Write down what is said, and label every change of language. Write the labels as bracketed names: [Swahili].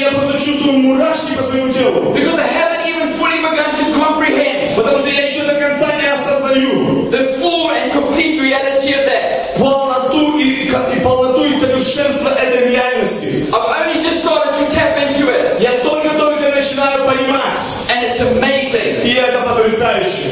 [Russian] я просто чувствую мурашки по своему телу. [English] Because I haven't even fully begun to comprehend. [Russian] Потому что я еще до конца не осознаю. [English] The full and complete reality of that. [Russian] Полноту и совершенство этой реальности. [English] I've only just started to tap into it. [Russian] Я только-только начинаю понимать. [English] And it's amazing. [Russian] И это потрясающе.